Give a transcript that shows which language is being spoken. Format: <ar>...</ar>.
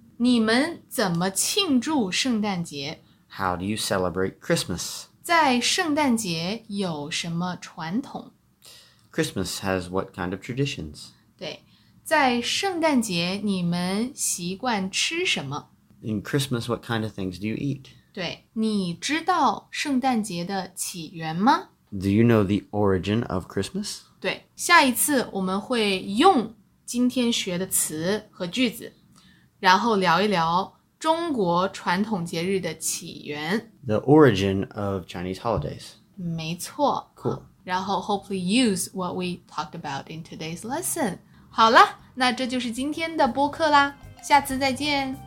<zh>你们怎么庆祝圣诞节？</zh> <en>How do you celebrate Christmas?</en> <zh>在圣诞节有什么传统？</zh> <en>Christmas has what kind of traditions?</en> <zh>对，在圣诞节你们习惯吃什么？</zh> <en>In Christmas, what kind of things do you eat?</en> <zh>对，你知道圣诞节的起源吗？</zh> <en>Do you know the origin of Christmas?</en> <zh>对，下一次我们会用今天学的词和句子，然后聊一聊中国传统节日的起源。</zh> <en>The origin of Chinese holidays.</en> <zh>没错。</zh> <en>Cool.</en> <zh>然后</zh> <en>hopefully use what we talked about in today's lesson.</en> <zh>好了，那这就是今天的播客啦，下次再见。</zh>